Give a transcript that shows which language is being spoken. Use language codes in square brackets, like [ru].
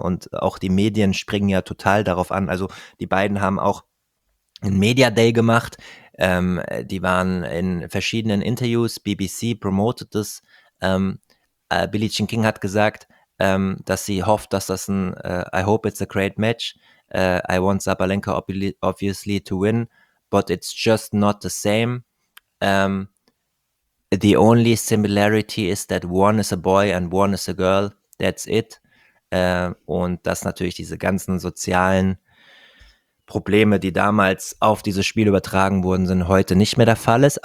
[de] Und auch die Medien springen ja total darauf an. Also die beiden haben auch einen Media Day gemacht. Die waren in verschiedenen Interviews. BBC promotet es. Billie Jean King hat gesagt, dass sie hofft, dass das ein [en] I hope it's a great match. I want Sabalenka obviously to win, but it's just not the same. The only similarity is that one is a boy and one is a girl. That's it. [de] Und dass natürlich diese ganzen sozialen Probleme, die damals auf dieses Spiel übertragen wurden, sind heute nicht mehr der Fall ist.